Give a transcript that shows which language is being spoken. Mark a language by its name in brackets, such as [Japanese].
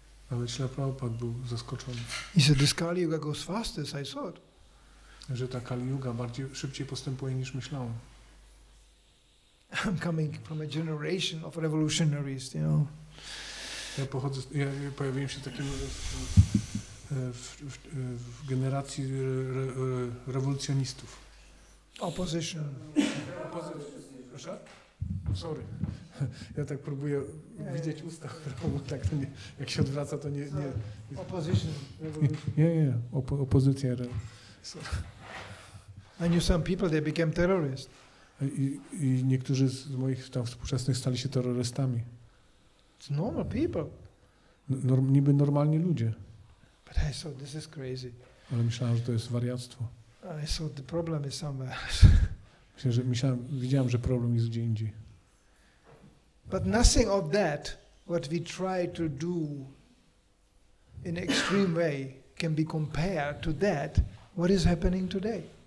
[Polish] Nawet Śrīla Prabhupada był zaskoczony. [English] He said, this Kali Yuga goes faster, as I thought. [Polish] Że ta Kali Yuga bardziej szybciej postępuje niż myślałem. [English] I'm coming from a generation of revolutionaries, you know. [Polish] Ja pojawiłem się takim w generacji rewolucjonistów. [English] Opposition. Sorry. [Polish] Ja tak próbuję widzieć usta, tak to nie, jak się odwraca, to nie. [English] Opposition. [Polish] Opozycja. [English] And you some people they became terrorists. [Polish] I niektórzy z moich tam współczesnych stali się terrorystami. [English] It's normal people. [Polish] Niby normalni ludzie. [English] But I thought this is crazy. [Polish] Ale myślałem, że to jest wariactwo. [English] I thought the problem is somewhere else. [Polish] Widziałem, że problem jest gdzie indziej. [English] But nothing of that, what we try to do in extreme way, can be compared to that, what is happening today.